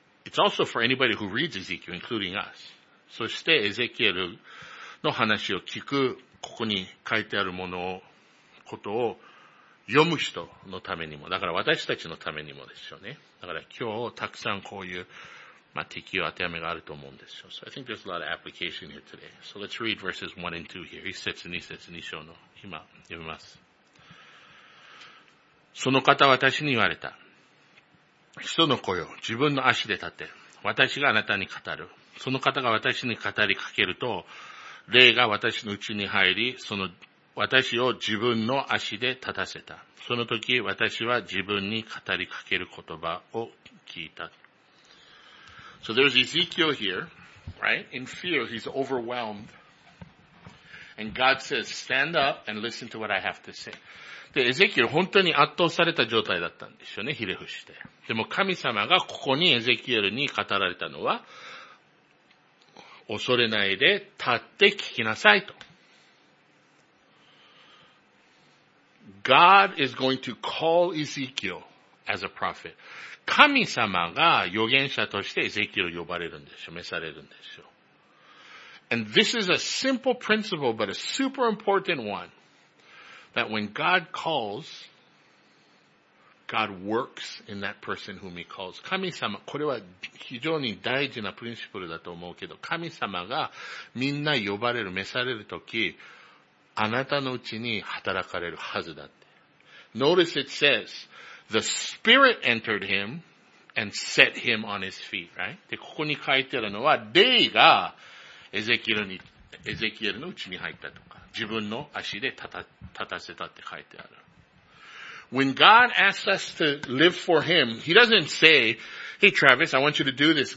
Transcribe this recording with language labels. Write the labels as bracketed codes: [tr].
[en] It's also for anybody who reads Ezekiel, including us. [ja] そしてエゼキエルの話を聞く、ここに書いてあるものを、ことを読む人のためにも、だから私たちのためにもですよね。だから今日たくさんこういう、まあ、適用当てはめがあると思うんですよ。 [en] So I think there's a lot of application here today. So let's read verses 1 and 2 here. [ja] 1節、2節、2章の今読みます。その方私に言われた。人の子よ、自分の足で立て。私があなたに語る。その方が私に語りかけると、霊が私の内に入り、その私を自分の足で立たせた。その時、私は自分に語りかける言葉を聞いた。 [en] So there's Ezekiel here, right? In fear, he's overwhelmed. And God says, stand up and listen to what I have to say. [ja] で、エゼキエル本当に圧倒された状態だったんですよね、ひれ伏して。でも神様がここにエゼキエルに語られたのは、恐れないで立って聞きなさいと。 [en] God is going to call Ezekiel as a prophet. [ja] 神様が預言者としてエゼキエル呼ばれるんですよ、召されるんですよ。 [en] And this is a simple principle, but a super important one. That when God calls, God works in that person whom he calls. [ja] 神様、これは非常に大事なプリンシプルだと思うけど、神様がみんな呼ばれる、召されるとき、あなたのうちに働かれるはずだって。 [en] Notice it says, the Spirit entered him and set him on his feet, right? [ja] で、ここに書いてるのは、霊がエゼキエルのうちに入ったとか、自分の足で立たせたって書いてある。 [en] When God asks us to live for him, he doesn't say, hey Travis, I want you to do this.